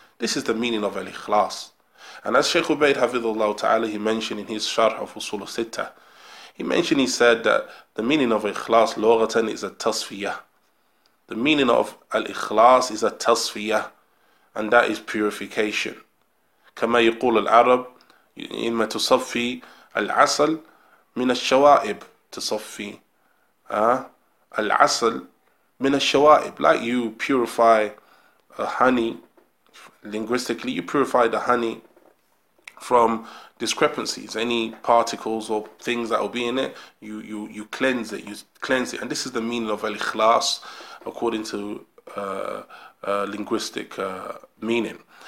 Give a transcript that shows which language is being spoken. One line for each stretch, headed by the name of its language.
English: This is the meaning of al-ikhlas. And as Shaykh Ubayd hafidhullah ta'ala, he mentioned in his sharh of usul sitta, he said that the meaning of ikhlas, lughatan, is a tasfiyah. The meaning of al-ikhlas is a tasfiyah, and that is purification.
Arabic: كما يقول العرب إما تصفي العسل من الشوائب تصفي العسل من الشوائب.
English: Like you purify a honey, linguistically you purify the honey from discrepancies, any particles or things that will be in it, you cleanse it, and this is the meaning of al-ikhlas according to linguistic meaning.